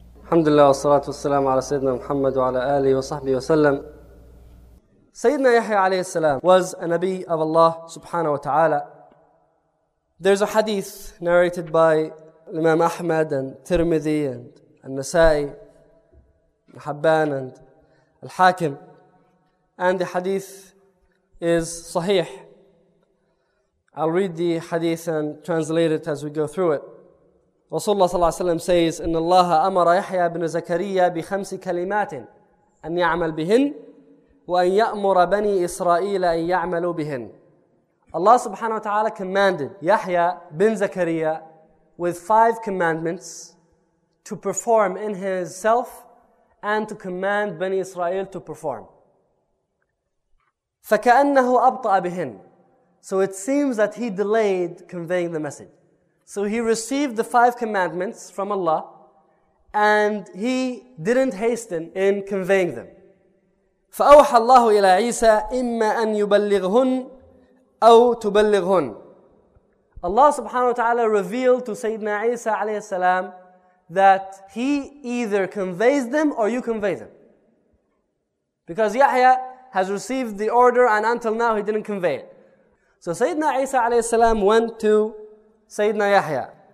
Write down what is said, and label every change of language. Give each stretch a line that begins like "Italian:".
Arabic: الحمد لله والصلاة والسلام على سيدنا محمد وعلى آله وصحبه وسلم. سيدنا يحيى عليه السلام
English: was a Nabi of Allah subhanahu wa ta'ala. There's a hadith narrated by Imam Ahmad and Tirmidhi and Al-Nasa'i, Al-Habban and Al-Hakim. And the hadith is sahih. I'll read the hadith and translate it as we go through it. Rasulullah sallallahu alayhi wa sallam says,
Arabic: إن الله أمر يحيى بن زكريا بخمس كلمات أن يعمل بهن وأن يأمر بني إسرائيل أن يعملوا بهن.
English: Allah subhanahu wa ta'ala commanded يحيى بن زكريا with five commandments to perform in himself and to command بني إسرائيل to perform.
Arabic: فكأنه أبطأ بهن.
English: So it seems that he delayed conveying the message. So he received the five commandments from Allah and he didn't hasten in conveying them.
Arabic: فأوحى الله إلى عيسى إما أن يبلغهن أو تبلغهن.
English: Allah subhanahu wa ta'ala revealed to Sayyidina Isa alayhi salam that he either conveys them or you convey them. Because Yahya has received the order and until now he didn't convey it. So Sayyidina Isa alayhi salam went to Sayyidina Yahya.